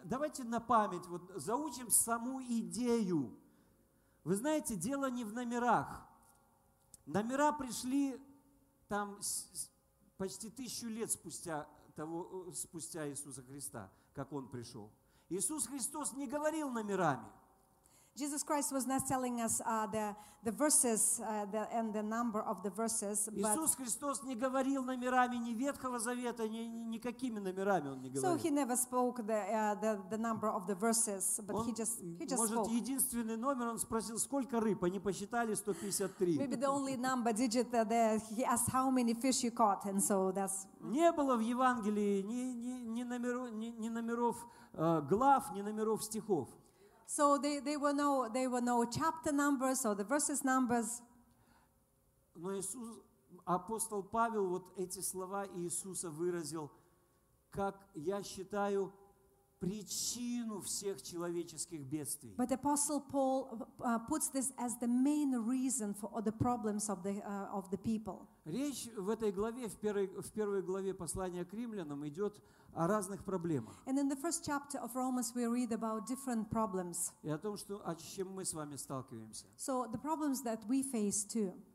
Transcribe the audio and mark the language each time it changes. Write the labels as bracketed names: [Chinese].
[Russian] Давайте на память вот заучим саму идею. Вы знаете, дело не в номерах. Номера пришли там почти 1000 лет спустя Иисуса Христа, как Он пришел. Иисус Христос не говорил номерами. [English] Jesus Christ was not telling us the verses and the number of the verses. But... [Russian] Иисус Христос не говорил номерами ни Ветхого Завета, никакими номерами Он не говорил. [English] So He never spoke the number of the verses, but [Russian] он, [English] He just [Russian] может, [English] spoke. [Russian] Может, единственный номер Он спросил, сколько рыб, они посчитали 153. [English] Maybe the only number digit that He asked how many fish you caught, and so that's... [Russian] Не было в Евангелии ни номеров глав, ни номеров стихов. [English] So they were no chapter numbers or the verses numbers. [Russian] Но Иисус, апостол Павел вот эти слова Иисуса выразил, как я считаю, причину всех человеческих бедствий. [English] But apostle Paul puts this as the main reason for all the problems of the people. [Russian] Речь в этой главе, в первой главе послания к римлянам идет о разных проблемах. [English] And in the first chapter of Romans we read about different problems. [Russian] И о том, что о чем мы с вами сталкиваемся. [English] So the problems that we face too.